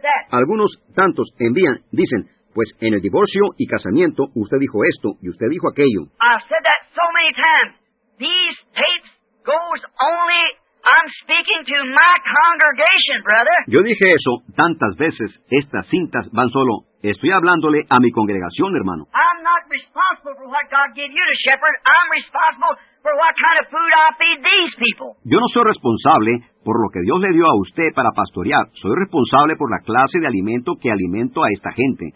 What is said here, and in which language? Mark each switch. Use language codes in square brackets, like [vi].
[es] Algunos tantos envían, dicen, pues en el divorcio y casamiento, usted dijo esto y usted dijo aquello. [en] I've said that so many times. These tapes goes only, I'm speaking to my congregation, brother. [es] Yo dije eso tantas veces, estas cintas van solo, estoy hablándole a mi congregación, hermano. [en] I'm not responsible for what God gave you to shepherd, I'm responsible for what kind of food I feed these people. [es] Yo no soy responsable por lo que Dios le dio a usted para pastorear, soy responsable por la clase de alimento que alimento a esta gente.